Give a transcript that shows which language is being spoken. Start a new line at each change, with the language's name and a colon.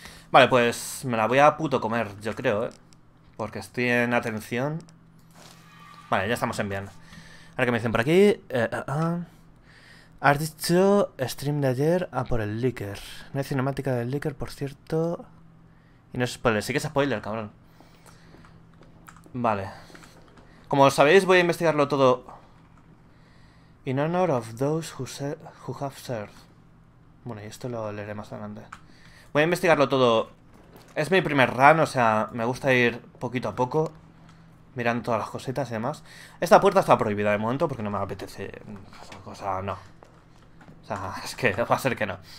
Spanish: Vale, pues me la voy a puto comer, yo creo, ¿eh? Porque estoy en atención. Vale, ya estamos en bien. Ahora que me dicen por aquí. Has dicho stream de ayer a por el Licker. No hay cinemática del Licker, por cierto. Y no es spoiler, sí que es spoiler, cabrón. Vale. Como sabéis, voy a investigarlo todo.
English: In honor of those who have served.
Spanish: Bueno, y esto lo leeré más adelante. Voy a investigarlo todo. Es mi primer run, o sea, me gusta ir poquito a poco, mirando todas las cositas y demás. Esta puerta está prohibida de momento porque no me apetece. O sea, no. O sea, es que va a ser que no.